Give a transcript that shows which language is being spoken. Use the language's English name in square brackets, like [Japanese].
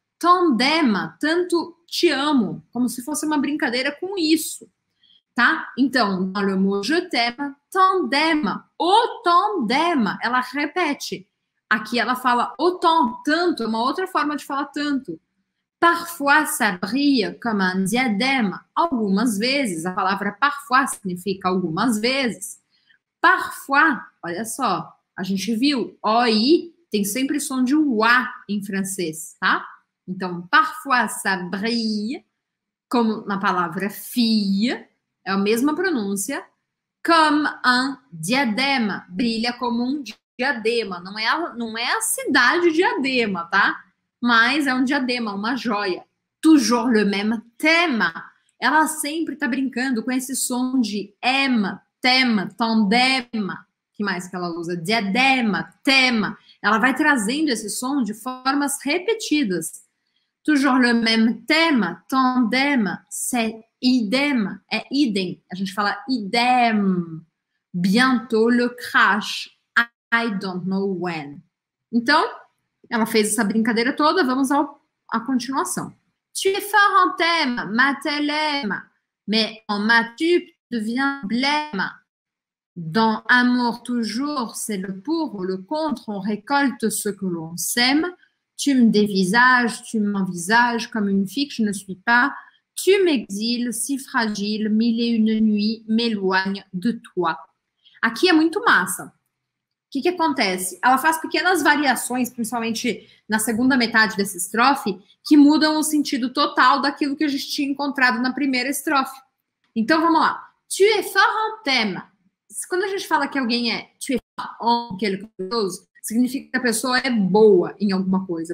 [Portuguese] Tandem, tanto te amo, como se fosse uma brincadeira com isso. Tá? [French] Então, dans le mot je t'aime, tandem, autant d'aime, [Portuguese] ela repete. Aqui ela fala autant, tanto, é uma outra forma de falar tanto. [French] Parfois ça brille comme un diadème, [Portuguese] algumas vezes. A palavra parfois significa algumas vezes. Parfois, olha só, a gente viu, oi tem sempre som de uá em francês, tá? Então, [French] parfois ça brille, [Portuguese] como na palavra fille, é a mesma pronúncia, [French] comme un diadème, [Portuguese] brilha como um diadema, não é a cidade diadema, tá? Mas é um diadema, uma joia. [French] Toujours le même thème. [Portuguese] Ela sempre tá brincando com esse som de M, thème, tandem. O que mais que ela usa? Diadema, thème. Ela vai trazendo esse som de formas repetidas. [French] Toujours le même thème, tandem, c'est idem. [Portuguese] É idem. A gente fala idem. [French] Bientôt le crash. [English] I don't know when. [Portuguese] Então, ela fez essa brincadeira toda, vamos à continuação. [French] Tu es fort en thème, ma telle aime, mais en matu devient blême. Dans amour toujours, c'est le pour ou le contre, on récolte ce que l'on sème. Tu me dévisages, tu m'envisages comme une fille que je ne suis pas. Tu m'exiles, si fragile, mille et une nuits m'éloigne de toi. [Portuguese] Aqui é muito massa. O que, que acontece? Ela faz pequenas variações, principalmente na segunda metade dessa estrofe, que mudam o sentido total daquilo que a gente tinha encontrado na primeira estrofe. Então, vamos lá. [French] Tu es fort en thème. [Portuguese] Quando a gente fala que alguém é [French] tu es fort en quelque chose, [Portuguese] significa que a pessoa é boa em alguma coisa.